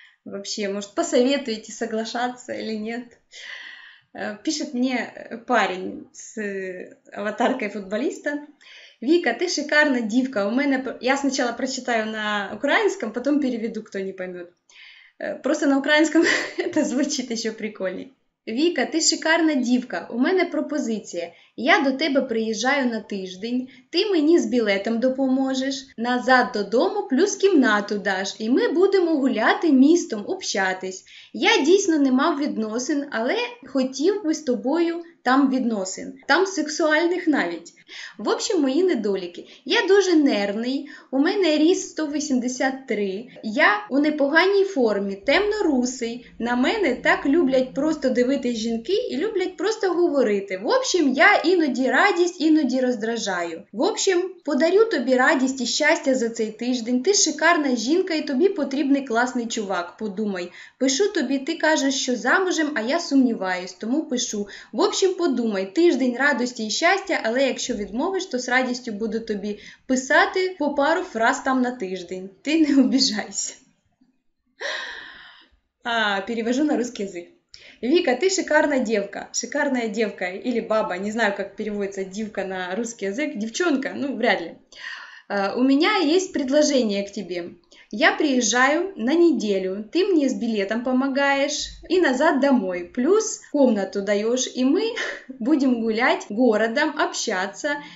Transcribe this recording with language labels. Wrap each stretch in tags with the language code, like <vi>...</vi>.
<ru>Вообще, может, посоветуете, соглашаться или нет? Пишет мне парень с аватаркой футболиста. Вика, ты шикарна, дивка. Я сначала прочитаю на украинском, потом переведу, кто не поймет. Просто на украинском это звучит еще прикольней.</ru> <uk>Віка, ти шикарна дівка. У мене пропозиція. Я до тебе приїжджаю на тиждень, ти мені з білетом допоможеш, назад додому плюс кімнату даш, і ми будемо гуляти містом, общатись. Я дійсно не мав відносин, але хотів би з тобою там відносин. Там сексуальних навіть.</uk> <ru>В общем,</ru> <uk>мої недоліки. Я дуже нервний, у мене ріст 183, я у непоганій формі, темно-русий, на мене так люблять просто дивитись жінки і люблять просто говорити.</uk> <ru>В общем,</ru> <uk>я іноді радість, іноді роздражаю.</uk> <ru>В общем,</ru> <uk>подарю тобі радість і щастя за цей тиждень. Ти шикарна жінка і тобі потрібний класний чувак. Подумай. Пишу тобі, ти кажеш, що замужем, а я сумніваюсь, тому пишу.</uk> <ru>В общем,</ru> <uk>подумай. Тиждень радості і щастя, але якщо відмовиш, то з радістю буду тобі писати по пару фраз там на тиждень. Ти не обіжайся.</uk> <ru>Перевожу на русский язык. Вика, ты шикарная девка или баба, не знаю, как переводится девка на русский язык, девчонка, ну, вряд ли. У меня есть предложение к тебе. Я приезжаю на неделю, ты мне с билетом помогаешь и назад домой, плюс комнату даешь, и мы будем гулять городом, общаться.</ru>